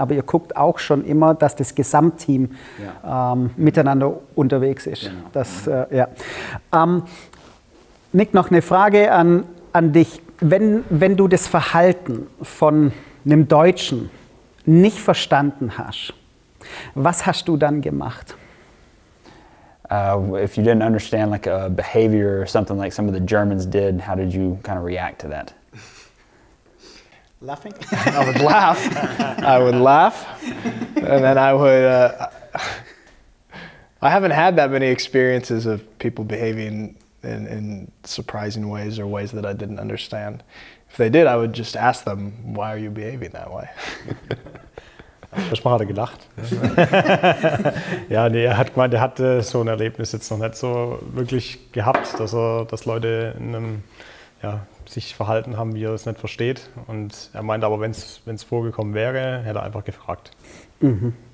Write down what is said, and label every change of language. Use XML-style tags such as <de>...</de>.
<de>Aber ihr guckt auch schon immer, dass das Gesamtteam miteinander unterwegs ist. Genau. Nick, noch eine Frage an dich. Wenn du das Verhalten von einem Deutschen nicht verstanden hast, was hast du dann gemacht?</de> <en>If you didn't understand like a behavior or something like some of the Germans did, how did you kind of react to that? Laughing? I would laugh. I would laugh. And then I would... I haven't had that many experiences of people behaving in surprising ways or ways that I didn't understand. If they did, I would just ask them, why are you behaving that way?</en> <de>Erstmal hat er gelacht. Ja, nee, er hat gemeint, er hatte so ein Erlebnis jetzt noch nicht so wirklich gehabt, dass Leute in einem, ja, sich verhalten haben, wie er es nicht versteht. Und er meinte aber, wenn es vorgekommen wäre, hätte er einfach gefragt. Mhm.</de>